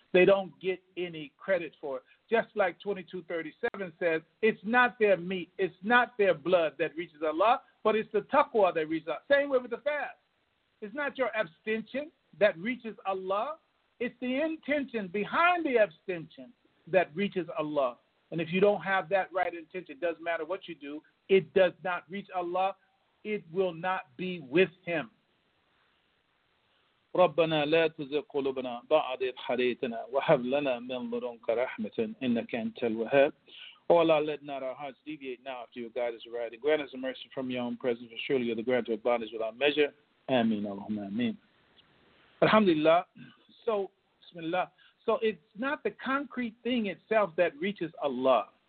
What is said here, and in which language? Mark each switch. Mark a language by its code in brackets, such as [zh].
[en] They don't get any credit for it. Just like 2237 says, it's not their meat, it's not their blood that reaches Allah, but it's the taqwa that reaches Allah. Same way with the fast. It's not your abstention that reaches Allah. It's the intention behind the abstention that reaches Allah. And if you don't have that right intention, it doesn't matter what you do, it does not reach Allah. It will not be with Him. [ar] ربنا لا تزغ قلوبنا بعد إذ هديتنا وهب لنا من لدنك رحمة إنك أنت الوهاب. [en] Oh Allah, let not our hearts deviate now after your guidance is right. Grant us mercy from your own presence, for surely you're the grant of bondage without measure. [ar] Amin. Allahumma amin. Alhamdulillah. So, bismillah. [en] So it's not the concrete thing itself that reaches Allah.